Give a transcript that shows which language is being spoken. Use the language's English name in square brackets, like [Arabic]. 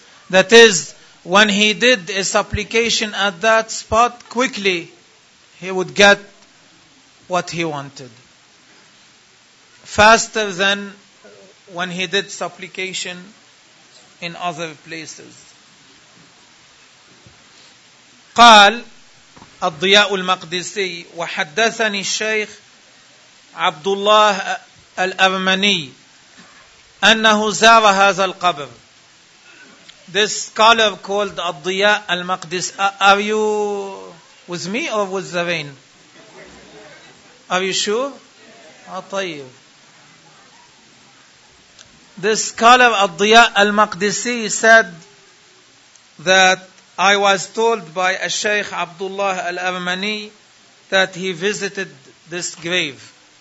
[English] That is, when he did a supplication at that spot, quickly he would get what he wanted. Faster than when he did supplication in other places. [Arabic] قال الضياء المقدسي وحدثني الشيخ عبد الله الأرمني أنه زار هذا القبر. [English] This scholar called Ad-Diya al-Maqdis. Are you with me or with the rain? Are you sure? طيب. This scholar Ad-Diya al-Maqdisi said that I was told by a Shaykh Abdullah al-Armani that he visited this grave.